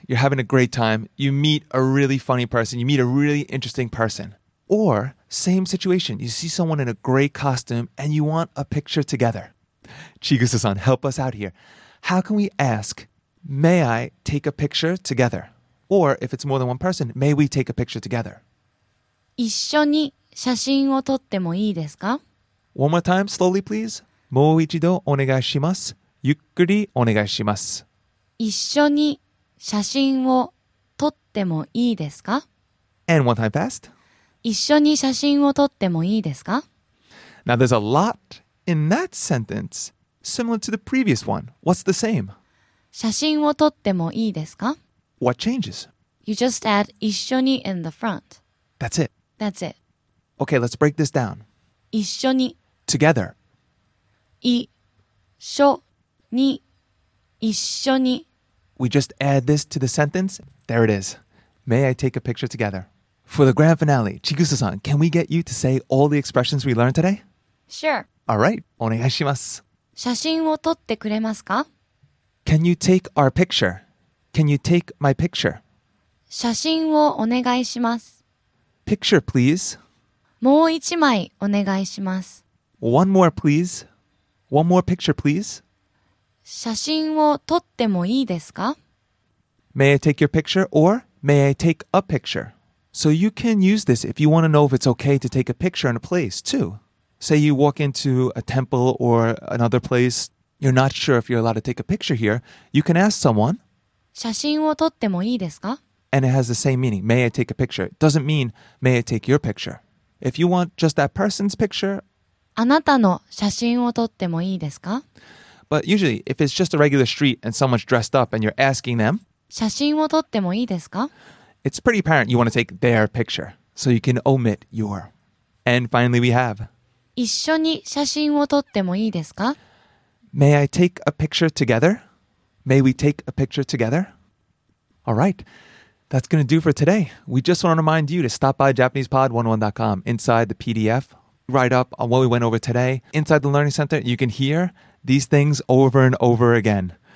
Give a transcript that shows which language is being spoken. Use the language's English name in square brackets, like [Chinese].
[English] You're having a great time. You meet a really funny person. You meet a really interesting person. Or, same situation. You see someone in a great costume and you want a picture together. Chigusa-san, help us out here. How can we ask, may I take a picture together? Or, if it's more than one person, may we take a picture together? [Japanese] 一緒に写真を撮ってもいいですか? [English] One more time, slowly please. [Japanese] もう一度お願いします。ゆっくりお願いします。一緒に写真を撮ってもいいですか? [English] And one time fast. [Japanese] 一緒に写真を撮ってもいいですか? [English] Now there's a lot in that sentence similar to the previous one. What's the same? [Japanese] 写真を撮ってもいいですか? [English] What changes? You just add 一緒に in the front. That's it. That's it. Okay, let's break this down. [Japanese] 一緒に [English] Together. [Japanese] 一緒に一緒に [English] We just add this to the sentence. There it is. May I take a picture together? For the grand finale, Chigusa-san, can we get you to say all the expressions we learned today? Sure. All right. [Japanese] お願いします。写真を撮ってくれますか? [English] Can you take our picture? Can you take my picture? [Japanese] 写真をお願いします。 [English] Picture, please. [Japanese] もう一枚お願いします。 [English] One more, please. One more picture, please. [Japanese] 写真を撮ってもいいですか? [English] May I take your picture or may I take a picture? So you can use this if you want to know if it's okay to take a picture in a place, too. Say you walk into a temple or another place, you're not sure if you're allowed to take a picture here, you can ask someone, [Japanese] 写真を撮ってもいいですか? [English] And it has the same meaning, may I take a picture. It doesn't mean, may I take your picture. If you want just that person's picture, [Japanese] あなたの写真を撮ってもいいですか? [English] But usually, if it's just a regular street and someone's dressed up and you're asking them, [Japanese] 写真を撮ってもいいですか? [English] It's pretty apparent you want to take their picture, so you can omit your. And finally we have, [Japanese] 一緒に写真を撮ってもいいですか? [English] May I take a picture together? May we take a picture together? All right. That's going to do for today. We just want to remind you to stop by JapanesePod101.com inside the PDF, write up on what we went over today. Inside the Learning Center, you can hear these things over and over again.